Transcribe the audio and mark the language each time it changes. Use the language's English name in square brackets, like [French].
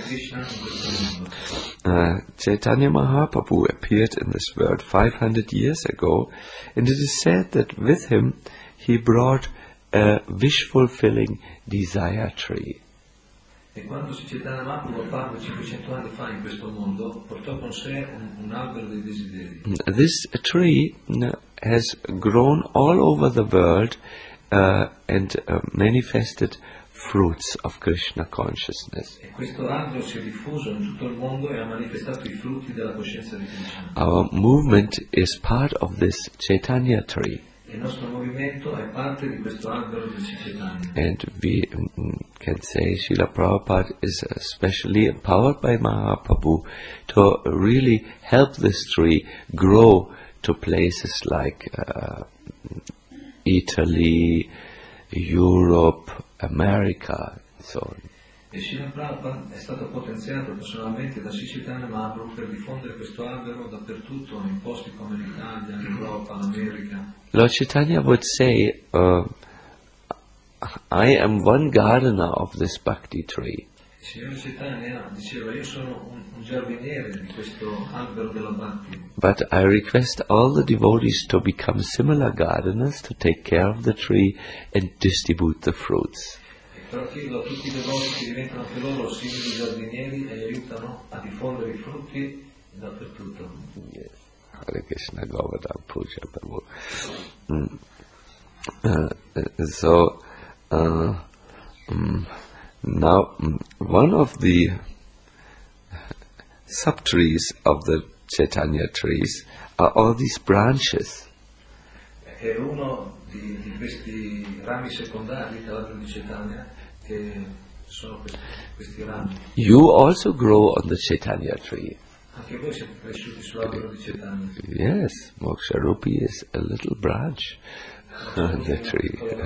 [English] Chaitanya Mahaprabhu appeared in this world 500 years ago, and it is said that with him he brought a wish-fulfilling desire tree. [Italian] E quando Chaitanya Mahaprabhu apparve 500 anni fa in questo mondo, portò con sé un albero dei desideri. [English] This tree has grown all over the world and manifested fruits of Krishna consciousness. [Italian] E questo albero si è diffuso in tutto il mondo e ha manifestato i frutti della coscienza di Krishna. [English] Our movement is part of this Chaitanya tree. [Italian] Il nostro movimento è parte di questo albero del Chaitanya. [English] And we can say Srila Prabhupada is especially empowered by Mahaprabhu to really help this tree grow to places like Italy, Europe, America, and so on. [Italian] E Srila Prabhupada è stato potenziato personalmente da Srila Chaitanya Mahaprabhu per diffondere questo albero dappertutto, in posti come l'Italia, l'Europa, l'America. [English] Lord Chaitanya would say, I am one gardener of this bhakti tree. But I request all the devotees to become similar gardeners, to take care of the tree and distribute the fruits. Hare Krishna Govardhan Puja Prabhu. Now, one of the sub-trees of the Chaitanya trees are all these branches. [Italian] È uno di questi rami secondari di Chaitanya che sono questi rami. [English] You also grow on the Chaitanya tree. [Italian] Anche voi siete cresciuti sull'albero di Chaitanya. [English] Yes, Moksha Rupi is a little branch on the tree.